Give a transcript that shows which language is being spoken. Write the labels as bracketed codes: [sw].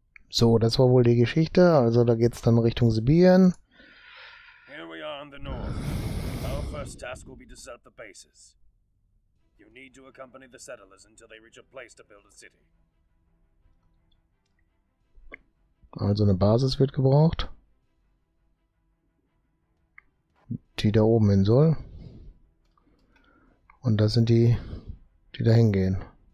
[de] So, das war wohl die Geschichte. Also da geht's dann Richtung Sibirien. [en] Here we are in the north. Our first task will be to set up the bases. You need to accompany the settlers until they reach a place to build a city. [de] Also eine Basis wird gebraucht, die da oben hin soll. Und das sind die, die da hingehen.